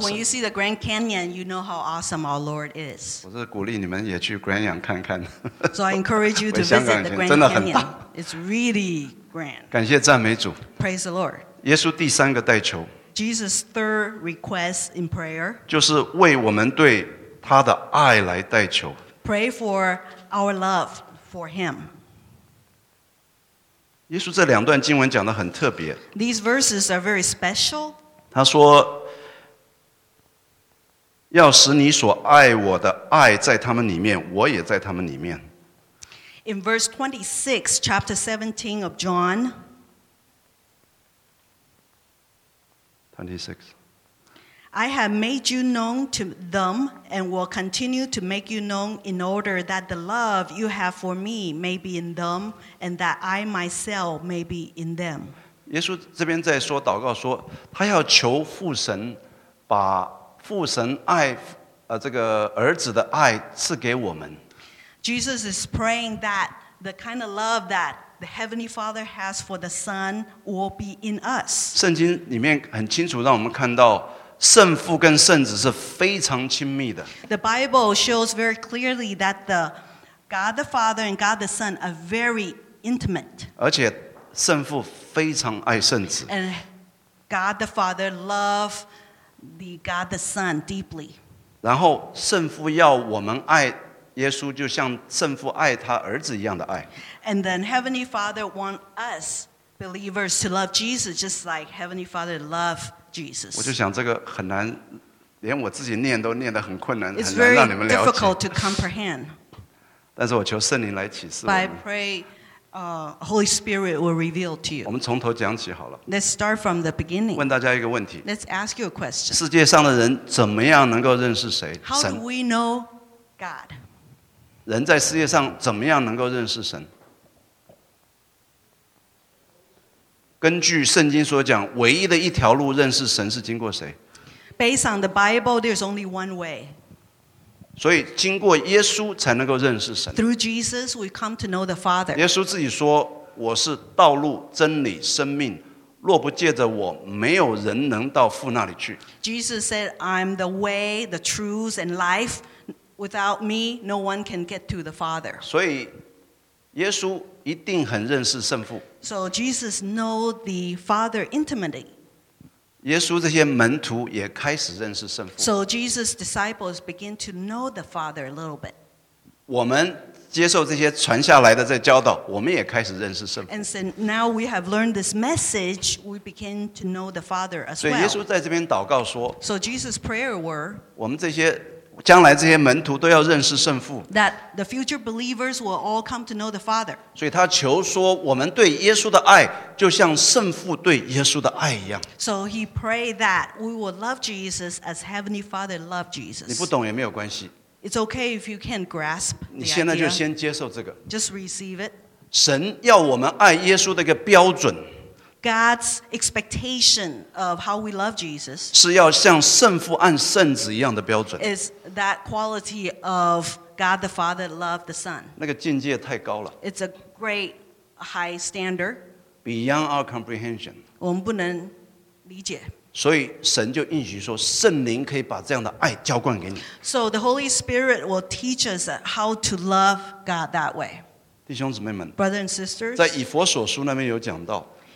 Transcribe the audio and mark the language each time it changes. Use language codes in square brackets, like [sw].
[en] So when you see the Grand Canyon, you know how awesome our Lord is. [zh] 我是鼓励你们也去 Grand Canyon 看看。 [en] So I encourage you to visit the Grand Canyon. [zh] 真的很大。 [en] It's really grand. [zh] 感谢赞美主。 [en] Praise the Lord. [zh] 耶稣第三个代求。 [en] Jesus' third request in prayer. [zh] 就是为我们对他的爱来代求。 [en] Pray for our love for him. [zh] 耶稣这两段经文讲得很特别。 [en] These verses are very special. [zh] 他说，要使你所爱我的爱在他们里面，我也在他们里面。 [en] In verse 26, chapter 17 of John. 26. I have made you known to them and will continue to make you known in order that the love you have for me may be in them and that I myself may be in them. [zh] 耶稣这边在说祷告说他要求父神把父神爱这个儿子的爱赐给我们。 [en] Jesus is praying that the kind of love that the Heavenly Father has for the Son will be in us. [zh] 圣经里面很清楚让我们看到圣父跟圣子是非常亲密的。 [en] The Bible shows very clearly that the God the Father and God the Son are very intimate. [zh] 而且圣父非常爱圣子。 [en] And God the Father loves the God the Son deeply. [zh] 然后圣父要我们爱耶稣，就像圣父爱他儿子一样的爱。 [en] And then Heavenly Father wants us believers to love Jesus just like Heavenly Father loves. [zh] 我就想这个很难，连我自己念都念得很困难，很难让你们了解。 [en] It's very difficult to comprehend. [zh] 但是我求圣灵来启示。 [en] But I pray, Holy Spirit will reveal to you. [zh] 我们从头讲起好了。 [en] Let's start from the beginning. [zh] 问大家一个问题。 [en] Let's ask you a question. [zh] 世界上的人怎么样能够认识谁？神。 [en] How do we know God? [zh] 人在世界上怎么样能够认识神？根据圣经所讲，唯一的一条路认识神是经过谁？ [en] Based on the Bible, there's only one way. [zh] 所以经过耶稣才能够认识神。 [en] Through Jesus, we come to know the Father. [zh] 耶稣自己说，我是道路、真理、生命，若不借着我，没有人能到父那里去。 [en] Jesus said, I'm the way, the truth, and life. Without me, no one can get to the Father. [zh] 所以耶稣一定很认识圣父。 [en] So Jesus knows the Father intimately. [zh] 耶稣这些门徒也开始认识圣父。 [en] So Jesus' disciples begin to know the Father a little bit. [zh] 我们接受这些传下来的这教导，我们也开始认识圣父。 [en] And so now we have learned this message, we begin to know the Father as well. [zh] 所以耶稣在这边祷告说， [en] So Jesus' prayer were, [zh] 我们这些将来这些门徒都要认识圣父。 [en] That the future believers will all come to know the Father. [zh] 所以他求说，我们对耶稣的爱就像圣父对耶稣的爱一样。 [en] So he prayed that we will love Jesus as Heavenly Father loved Jesus. [zh] 你不懂也没有关系。 [en] It's okay if you can't grasp. [zh] 你现在就先接受这个。 [en] Just receive it. [zh] 神要我们爱耶稣的一个标准。 [en] God's expectation of how we love Jesus [zh] 是要像圣父按圣子一样的标准。 [en] Is that quality of God the Father loved the Son? [zh] 那个境界太高了。 [en] It's a great high standard. Beyond our comprehension. [zh] 我们不能理解。所以神就应许说，圣灵可以把这样的爱浇灌给你。 [en] So the Holy Spirit will teach us how to love God that way. [zh] 弟兄姊妹们 [en] ，Brothers and sisters， [zh] 在以弗所书那边有讲到。